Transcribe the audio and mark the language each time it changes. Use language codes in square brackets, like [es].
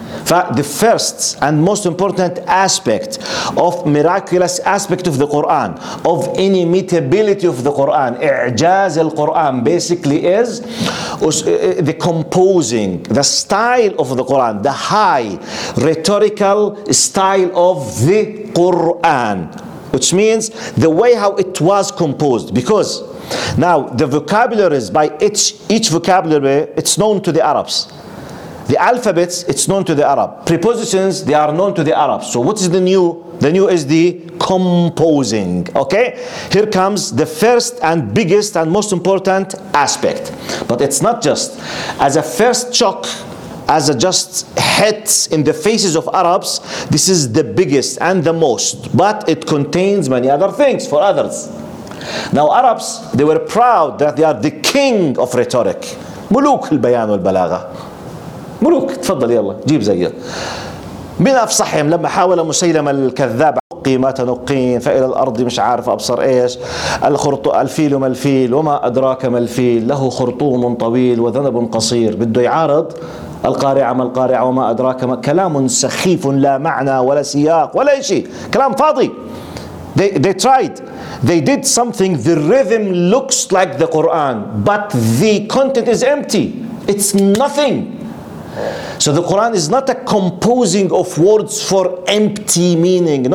[en] The first and most important aspect of miraculous aspect of the Quran, of inimitability of the Quran, إعجاز القرآن basically is the composing, the style of the Quran, the high rhetorical style of the Quran, which means the way how it was composed. Because now the vocabularies by each vocabulary, it's known to the Arabs. The alphabets, it's known to the Arab. Prepositions, they are known to the Arab. So what is the new? The new is the composing, okay? Here comes the first and biggest and most important aspect. But it's not just as a first shock, as a just hit in the faces of Arabs, this is the biggest and the most. But it contains many other things for others. Now Arabs, they were proud that they are the king of rhetoric. [ar] Muluk al-bayan wal-balagha. ملوك تفضل يلا جيب زيه من أفصحهم لما حاول مسيلم الكذاب عقي ما تنقين فإلى الأرض مش عارف أبصر إيش الفيل ما الفيل وما أدراك ما الفيل له خرطوم طويل وذنب قصير بده يعارض القارعة ما القارعة وما أدراك ما كلام سخيف لا معنى ولا سياق ولا شيء كلام فاضي [en] they tried they did something the rhythm looks like the Quran but the content is empty it's nothing So the Quran is not a composing of words for empty meaning.